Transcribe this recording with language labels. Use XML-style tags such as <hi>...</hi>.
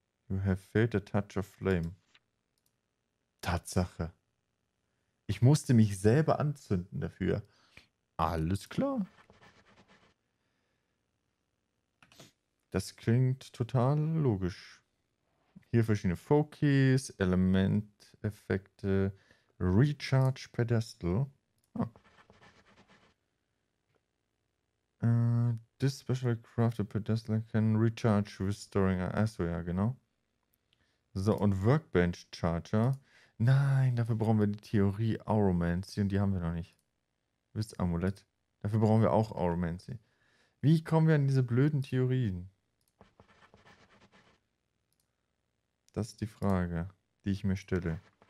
<en>You have failed a touch of flame.</en> <de>Tatsache. Ich musste mich selber anzünden dafür. Alles klar. Das klingt total logisch. Hier verschiedene Focus, Elementeffekte, Recharge Pedestal. Oh.</de> <en>This specially crafted pedestal can recharge restoring.</en> <de>Achso, ja, genau. So, und Workbench Charger. Nein, dafür brauchen wir die Theorie Auromancy und die haben wir noch nicht. Wisst Amulett. Dafür brauchen wir auch Auromancy. Wie kommen wir an diese blöden Theorien? Das ist die Frage, die ich mir stelle.</de>